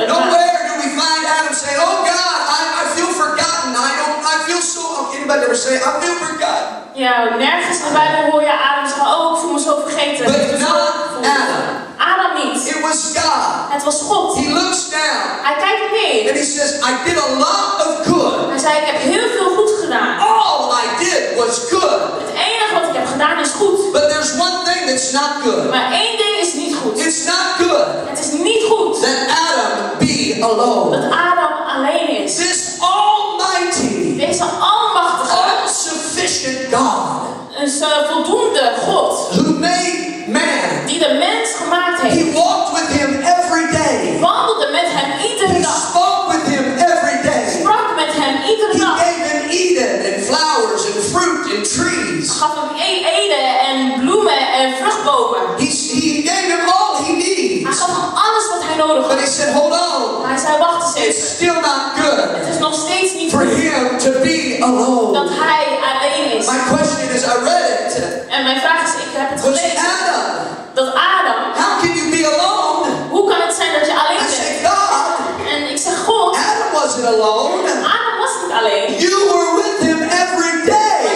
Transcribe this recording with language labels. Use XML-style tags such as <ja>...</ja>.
<en>Nowhere do we find Adam saying, oh God, I feel forgotten. I feel so, anybody ever say, I feel forgotten.</en> <nl>Ja, nergens in de Bijbel hoor je Adam zeggen, oh, ik voel me zo vergeten.</nl> <en>But not Adam.</en> <nl>Adam niet.</nl> <en>It was God.</en> <nl>Het was God.</nl> <en>He looks down.</en> <nl>Hij kijkt neer.</nl> <en>And he says, I did a lot of good.</en> <nl>Hij zei, ik heb heel veel goed gedaan.</nl> <en>All I did was good.</en> <nl>Het enige wat ik heb gedaan is goed.</nl> <en>But there's one thing that's not good.</en> <nl>Maar één ding is niet goed.</nl> <en>It's not good.</en> <nl>Het is niet goed.</nl> <en>That Adam be alone.</en> <nl>Dat Adam alleen is.</nl> <en>This almighty.</en> <nl>Deze almachtige.</nl> <en>All-sufficient God.</en> <nl>Een voldoende God.</nl> <en>Who made man.</en> <nl>Die de mens gemaakt heeft.</nl> <en>He walked with him every day.</en> <nl>Wandelde met hem iedere dag.</nl> <en>He spoke with him every day.</en> <nl>Sprak met hem iedere dag.</nl> <en>He gave him Eden and flowers and fruit and trees.</en> <nl>Gaf hem Eden en bloemen en vruchtbomen.</nl> <en>He gave him all he needs.</en> <nl>Hij gaf hem alles wat hij nodig had.</nl> <en>But he said, hold on.</en> <nl>Hij zei, wacht eens even.</nl> <en>It's still not good.</en> <nl>Het is nog steeds niet</nl> <en>for</en> <nl>goed.</nl> <en>Him to be alone.</en> <nl>Dat hij alleen is.</nl> <en>My question is, I read it.</en> <nl>En mijn vraag is, ik heb het gelezen. Dat Adam.</nl> <en>How can you be alone?</en> <nl>Hoe kan het zijn dat je alleen bent?</nl> <en>I say God.</en> <nl>En ik zeg God.</nl> <en>Adam wasn't alone.</en> <nl>Adam was niet alleen.</nl> <en>You were with him every day.</en>